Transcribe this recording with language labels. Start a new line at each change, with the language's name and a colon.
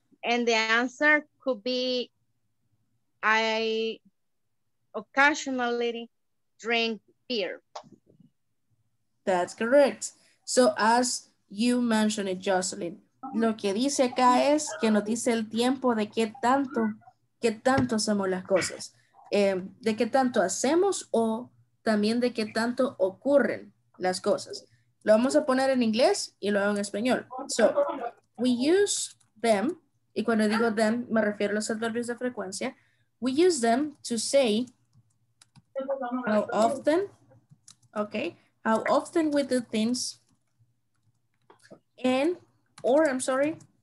English: And the answer could be, I occasionally drink beer. That's correct. So as you mentioned it,
Spanish: Jocelyn, lo que dice acá es que nos dice el tiempo de qué tanto hacemos las cosas, de qué tanto hacemos o también de qué tanto ocurren las cosas. Lo vamos a poner en inglés y luego en español.
English: So, we use them,
Spanish: y cuando digo them, me refiero a los adverbios de frecuencia.
English: We use them to say how often, okay, how often we do things and, or I'm sorry,